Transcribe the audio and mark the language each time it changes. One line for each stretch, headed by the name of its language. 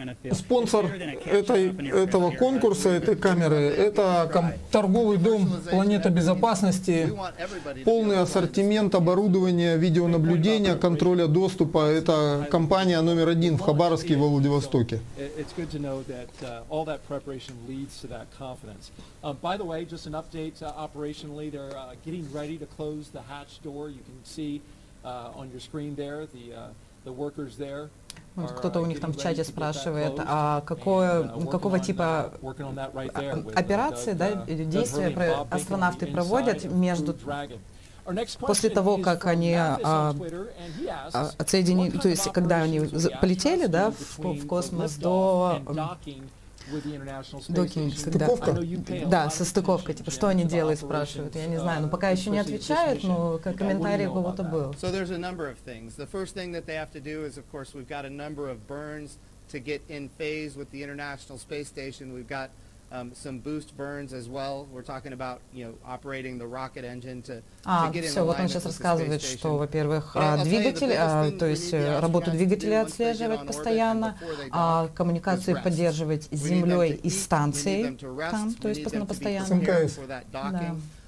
Russian: Спонсор этого конкурса, этой камеры, это торговый дом «Планета безопасности», полный ассортимент оборудования видеонаблюдения, контроля доступа. Это компания номер один в Хабаровске и во Владивостоке.
English: By the way, just an update operationally, they're getting ready to close the hatch door. You can see on your screen there the workers there.
Russian: Вот кто-то у них там в чате спрашивает, а какого типа операции, да, действия астронавты проводят между после того, как они отсоединили, то есть когда они полетели, да, в космос до стыковка? Да, со стыковкой. Типа, что они делают, спрашивают. Я не знаю, но пока еще не отвечают, но комментарий кого-то был.
English: So there's a number of things. The first thing that they have to do is, of course, we've got a number of burns to get in phase with the International Space Station. We've got some boost burns as well. We're talking about, you know, operating the rocket engine to get in alignment.
Russian: Все, вот он сейчас рассказывает, что, во-первых, двигатель, то есть работу двигателя отслеживать постоянно, коммуникации поддерживать с Землей и станцией там, то есть постоянно.